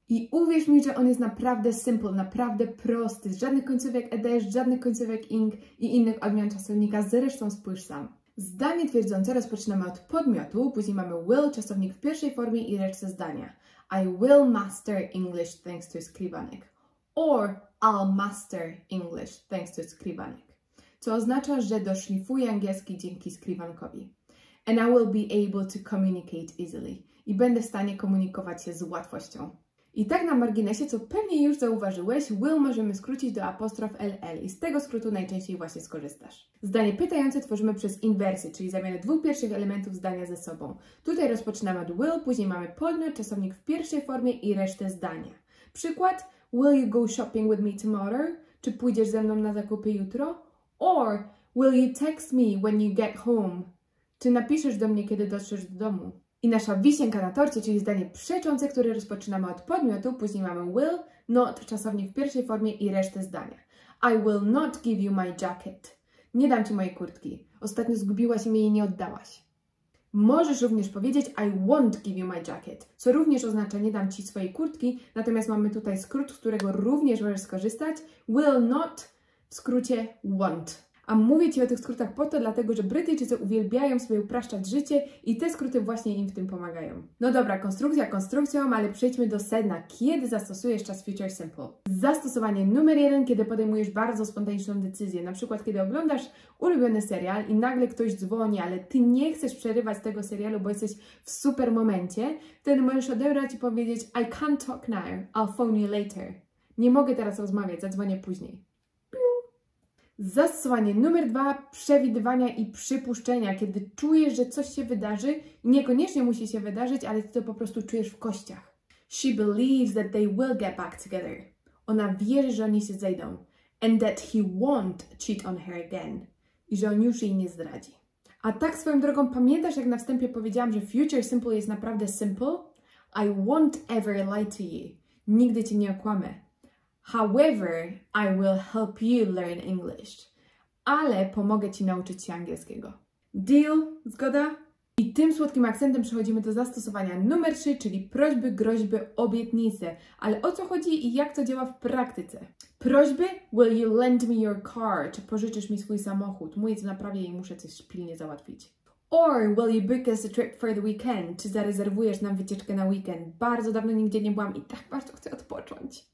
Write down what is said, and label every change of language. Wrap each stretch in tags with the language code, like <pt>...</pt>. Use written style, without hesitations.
<pl>I uwierz mi, że on jest naprawdę simple, naprawdę prosty, żadnych końcówek ed, żadnych końcówek ing i innych odmian czasownika, zresztą spójrz sam. Zdanie twierdzące rozpoczynamy od podmiotu, później mamy will, czasownik w pierwszej formie i resztę zdania.</pl> <en>I will master English thanks to Skrivanek. Or I'll master English thanks to Skrivanek.</en> <pl>Co oznacza, że doszlifuję angielski dzięki skrivankowi.</pl> <en>And I will be able to communicate easily.</en> <pl>I będę w stanie komunikować się z łatwością. I tak na marginesie, co pewnie już zauważyłeś, will możemy skrócić do apostrof LL i z tego skrótu najczęściej właśnie skorzystasz. Zdanie pytające tworzymy przez inwersję, czyli zamianę dwóch pierwszych elementów zdania ze sobą. Tutaj rozpoczynamy od will, później mamy podmiot, czasownik w pierwszej formie i resztę zdania. Przykład,</pl> <en>will you go shopping with me tomorrow?</en> <pl>Czy pójdziesz ze mną na zakupy jutro?</pl> <en>Or, will you text me when you get home?</en> <pl>Czy napiszesz do mnie, kiedy dotrzesz do domu? I nasza wisienka na torcie, czyli zdanie przeczące, które rozpoczynamy od podmiotu, później mamy will, not, czasownik w pierwszej formie i resztę zdania.</pl> <en>I will not give you my jacket.</en> <pl>Nie dam Ci mojej kurtki. Ostatnio zgubiłaś i mi jej nie oddałaś. Możesz również powiedzieć</pl> <en>I won't give you my jacket,</en> <pl>co również oznacza nie dam Ci swojej kurtki, natomiast mamy tutaj skrót, z którego również możesz skorzystać. Will not... W skrócie want. A mówię Ci o tych skrótach po to, dlatego że Brytyjczycy uwielbiają sobie upraszczać życie i te skróty właśnie im w tym pomagają. No dobra, konstrukcja konstrukcją, ale przejdźmy do sedna. Kiedy zastosujesz czas Future Simple? Zastosowanie numer jeden, kiedy podejmujesz bardzo spontaniczną decyzję. Na przykład, kiedy oglądasz ulubiony serial i nagle ktoś dzwoni, ale Ty nie chcesz przerywać tego serialu, bo jesteś w super momencie, wtedy możesz odebrać i powiedzieć</pl> <en>I can't talk now, I'll phone you later.</en> <pl>Nie mogę teraz rozmawiać, zadzwonię później. Zastosowanie numer dwa, przewidywania i przypuszczenia, kiedy czujesz, że coś się wydarzy, niekoniecznie musi się wydarzyć, ale ty to po prostu czujesz w kościach.</pl> <en>She believes that they will get back together.</en> <pl>Ona wierzy, że oni się zejdą.</pl> <en>And that he won't cheat on her again.</en> <pl>I że on już jej nie zdradzi. A tak swoją drogą, pamiętasz jak na wstępie powiedziałam, że Future Simple jest naprawdę simple?</pl> <en>I won't ever lie to you.</en> <pl>Nigdy cię nie okłamę.</pl> <en>However, I will help you learn English.</en> <pl>Ale pomogę Ci nauczyć się angielskiego. Deal? Zgoda? I tym słodkim akcentem przechodzimy do zastosowania numer 3, czyli prośby, groźby, obietnice. Ale o co chodzi i jak to działa w praktyce? Prośby?</pl> <en>Will you lend me your car?</en> <pl>Czy pożyczysz mi swój samochód? Mój jest w naprawie i muszę coś pilnie załatwić.</pl> <en>Or will you book us a trip for the weekend?</en> <pl>Czy zarezerwujesz nam wycieczkę na weekend? Bardzo dawno nigdzie nie byłam i tak bardzo chcę odpocząć.</pl>